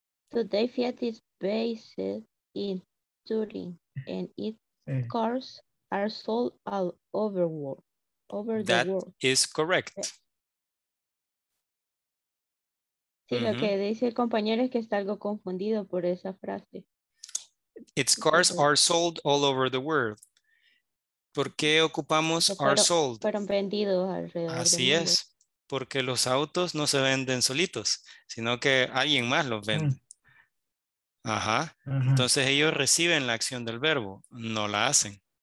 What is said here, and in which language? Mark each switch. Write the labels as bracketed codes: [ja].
[en] Today, Fiat is based in Turin, and its cars are sold all over the world. That is correct. [es] Sí, lo que dice el compañero es que está algo confundido por esa frase. [en] Its cars are sold all over the world. [es] ¿Por qué ocupamos are sold? Fueron vendidos alrededor. Así es, porque los autos no se venden solitos, sino que alguien más los vende. Ajá. Entonces ellos reciben la acción del verbo, no la hacen.